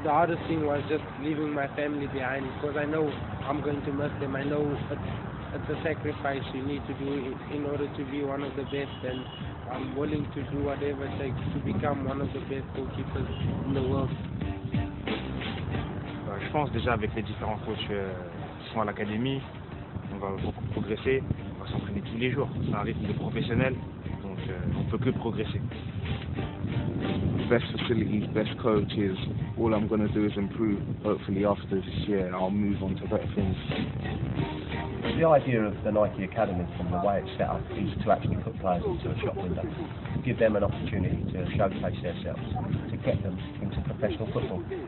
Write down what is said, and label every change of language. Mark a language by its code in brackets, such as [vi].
[en] The hardest thing was just leaving my family behind, because I know I'm going to miss them. I know it's a sacrifice you need to do in order to be one of the best, and I'm willing to do whatever it takes to become one of the best goalkeepers in the world. [fr] Je pense déjà avec les différents coachs qui sont à l'académie, on va beaucoup progresser, on va s'entraîner tous les jours. C'est un rythme de professionnel, donc on ne peut que progresser. [en] Best facilities, best coaches. All I'm going to do is improve, hopefully after this year, and I'll move on to better things. The idea of the Nike Academy, from the way it's set up, is to actually put players into a shop window, give them an opportunity to showcase themselves, to get them into professional football.